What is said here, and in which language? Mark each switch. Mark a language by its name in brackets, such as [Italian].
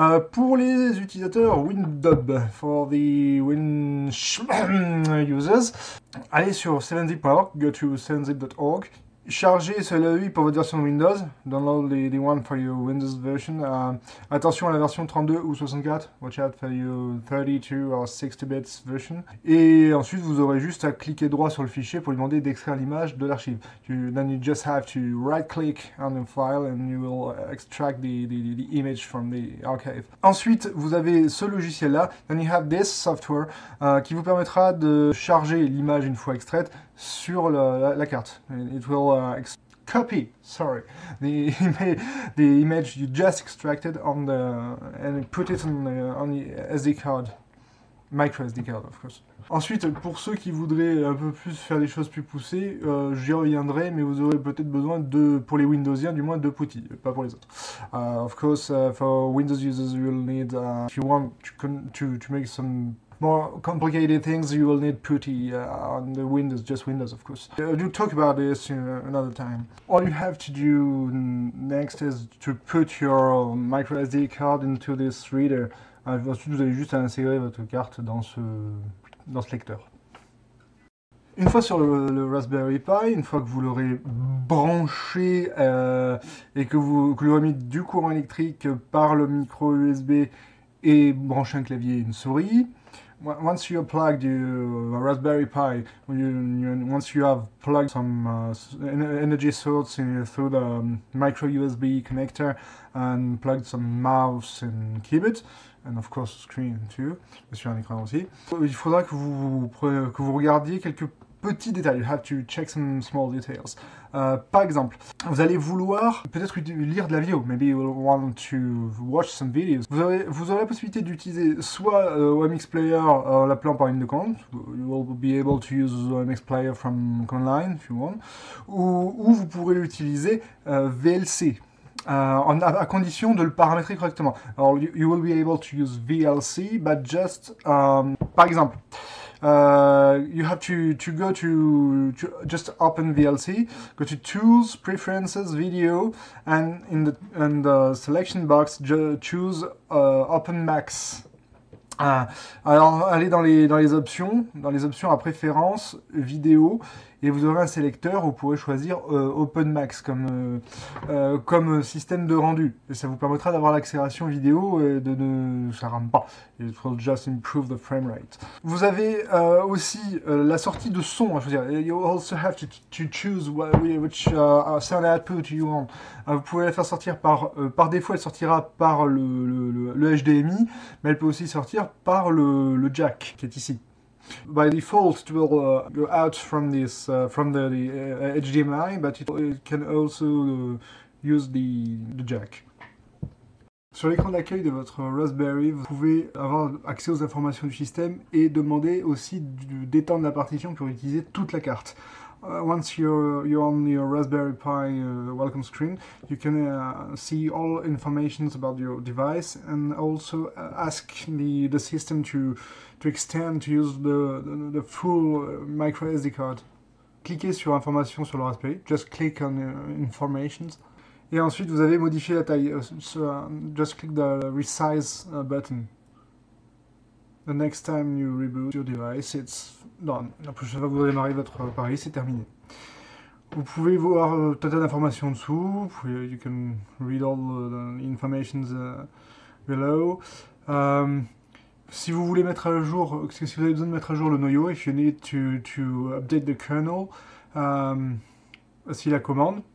[French] Pour les utilisateurs WinDub, [English] for the Win users, [French] allez sur 7zip.org, [English] go to 7zip.org, [French] charger celui pour votre version Windows. [English] Download the one for your Windows version. [French] Attention à la version 32 ou 64. [English] Watch out for your 32 or 60 bits version. [French] Et ensuite, vous aurez juste à cliquer droit sur le fichier pour lui demander d'extraire l'image de l'archive. [English] Then you just have to right-click on the file and you will extract the image from the archive. [French] Ensuite, vous avez ce logiciel-là. [English] Then you have this software [French] qui vous permettra de charger l'image une fois extraite sur la carte. [English] It will copy, sorry, the image you just extracted on the and put it on the SD card, micro SD card of course. [French] Ensuite, pour ceux qui voudraient un peu plus faire des choses plus poussées, j'y reviendrai, mais vous aurez peut-être besoin de, pour les Windowsiens, du moins de Putty, pas pour les autres. [English] Of course, for Windows users, you will need if you want to make some more complicated things, you will need PuTTY on the Windows, just Windows, of course. We'll talk about this another time. All you have to do next is to put your micro SD card into this reader. [French] Ensuite, vous avez juste à insérer votre carte dans ce lecteur. Une fois sur le Raspberry Pi, une fois que vous l'aurez branché et que vous l'aurez mis du courant électrique par le micro USB et branché un clavier et une souris, [English] once you plug the Raspberry Pi, once you have plugged some energy source through the micro USB connector and plugged some mouse and keyboard, and of course screen too, [French] sur un écran aussi, il faudra que vous regardiez quelques petits détails. [English] You have to check some small details. [French] Par exemple, vous allez vouloir peut-être lire de la vidéo. [English] Maybe you will want to watch some videos. [French] Vous aurez la possibilité d'utiliser soit OMX Player en l'appelant par une de commande. [English] You will be able to use OMX Player from command line if you want. [French] Ou vous pourrez utiliser VLC. À condition de le paramétrer correctement. [English] Alors, you will be able to use VLC, but just [French] par exemple. [English] You have to go to just open VLC, go to Tools, Preferences, Video, and in the selection box, choose Open Max. [French] Alors allez dans les options à préférence vidéo et vous aurez un sélecteur où vous pourrez choisir Open Max comme système de rendu et ça vous permettra d'avoir l'accélération vidéo et de ne ça rame pas. [English] It will just improve the frame rate. [French] Vous avez aussi la sortie de son à choisir. [English] You also have to choose which sound output you want. [French] Vous pouvez la faire sortir par défaut elle sortira par le HDMI mais elle peut aussi sortir par le jack qui est ici. [English] By default, it will go out from this from the HDMI, but it can also use the jack. [French] Sur l'écran d'accueil de votre Raspberry, vous pouvez avoir accès aux informations du système et demander aussi d'étendre la partition pour utiliser toute la carte. [English] Once you're on your Raspberry Pi welcome screen, you can see all information about your device and also ask the system to extend to use the full micro SD card. [French] Cliquez sur information sur le Raspberry, [English] just click on information. [French] Et ensuite vous avez modifié la taille, [English] just click the resize button. The next time you reboot your device, it's done. [French] La prochaine fois que vous démarrez votre appareil, c'est terminé. Vous pouvez voir tout un tas d'informations en dessous. [English] You can read all the information below. [French] Si vous voulez mettre à jour, si vous avez besoin de mettre à jour le noyau, [English] if you need to update the kernel, [French] voici la commande.